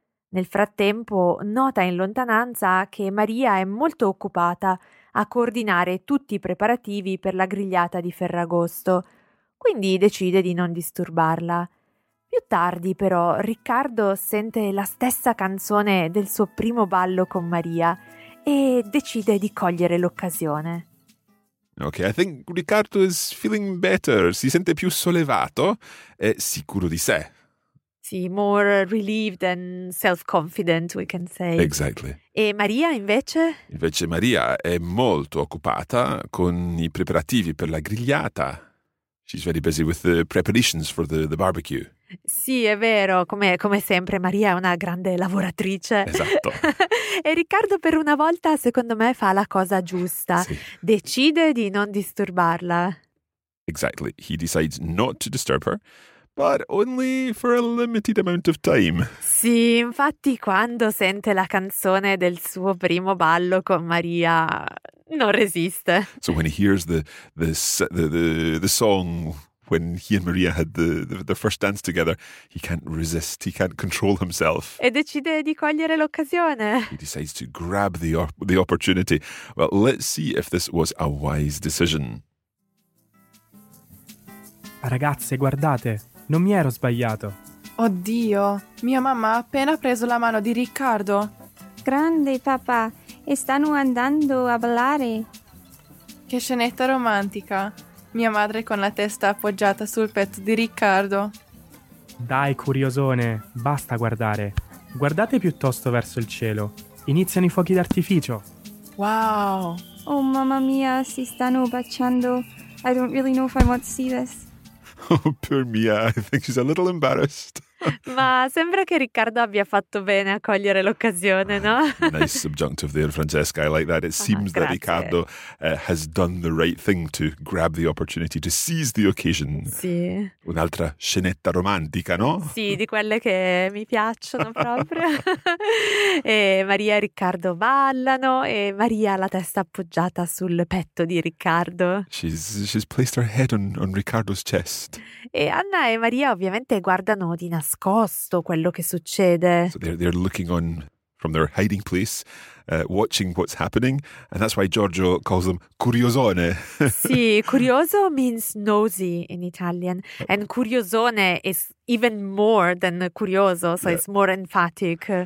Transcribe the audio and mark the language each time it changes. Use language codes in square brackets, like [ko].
[it] Nel frattempo nota in lontananza che Maria è molto occupata a coordinare tutti i preparativi per la grigliata di Ferragosto, quindi decide di non disturbarla. Più tardi però Riccardo sente la stessa canzone del suo primo ballo con Maria e decide di cogliere l'occasione. [en] Okay, I think Riccardo is feeling better. [it] Si sente più sollevato e sicuro di sé. [en] Sì, more relieved and self-confident, we can say. Exactly. [it] E Maria invece? Invece Maria è molto occupata con i preparativi per la grigliata. [en] She's very busy with the preparations for the barbecue. [it] Sì, è vero. Come sempre, Maria è una grande lavoratrice. Esatto. E Riccardo, per una volta, secondo me, fa la cosa giusta. Sì. Decide di non disturbarla. [en] Exactly. He decides not to disturb her, but only for a limited amount of time. [it] Sì, infatti, quando sente la canzone del suo primo ballo con Maria, non resiste. [en] So when he hears the song when he and Maria had the first dance together, he can't resist, he can't control himself. [it] E decide di cogliere l'occasione. [en] He decides to grab the opportunity. Well, let's see if this was a wise decision. [it] Ragazze, guardate, non mi ero sbagliato. Oddio, mia mamma ha appena preso la mano di Riccardo. Grande, papà. E stanno andando a ballare. Che scenetta romantica. Mia madre con la testa appoggiata sul petto di Riccardo. Dai, curiosone, basta guardare. Guardate piuttosto verso il cielo. Iniziano i fuochi d'artificio. Wow! Oh, mamma mia, si stanno baciando. [en] I don't really know if I want to see this. Oh, poor Mia, I think she's a little embarrassed. [it] Ma sembra che Riccardo abbia fatto bene a cogliere l'occasione, no? [en] Nice subjunctive there, Francesca. I like that. It seems that Riccardo has done the right thing to grab the opportunity, to seize the occasion. [it] Sì. Un'altra scenetta romantica, no? Sì, di quelle che mi piacciono proprio. E Maria e Riccardo ballano e Maria ha la testa appoggiata sul petto di Riccardo. [en] She's placed her head on Riccardo's chest. [it] E Anna e Maria ovviamente guardano di nascosto quello che succede. [en] So they're looking on from their hiding place, watching what's happening, and that's why Giorgio calls them curiosone. Sì, curioso means nosy in Italian, and curiosone is even more than curioso, so yeah. It's more emphatic.